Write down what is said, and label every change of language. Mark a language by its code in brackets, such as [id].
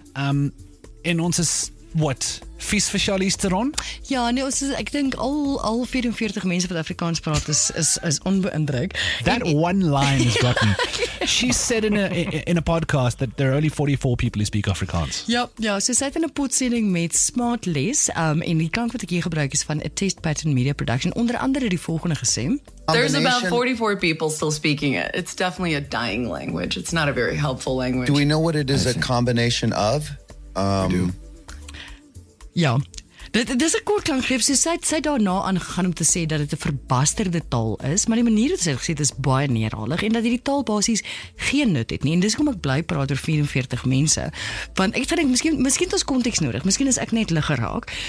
[af] En ons is, wat, vies vir Charlisteron? Ja, nee, ons is, ek dink al 44 mense wat Afrikaans praat is onbeindruk. [en] That one line has got me. She said in a podcast that there are only 44 people who speak Afrikaans. [af] Ja, so sy het in 'n podsending met Smart Les, en die klank wat ek hier gebruik is van a Test Pattern Media Production, onder andere die volgende gesê. [en] There's about 44 people still speaking it. It's definitely a dying language. It's not a very helpful language. Do we know what it is a combination of? [af] Ja, dit is 'n kort klankgreep. So sy daarna aangegaan om te sê dat dit 'n verbasterde taal is, maar die manier wat sy het gesê, is baie neerhalig en dat hierdie taal basies geen nut het nie. En dis hoekom ek bly praat oor 44 mense. Want ek dink, miskien het ons konteks nodig, miskien is ek net lig geraak.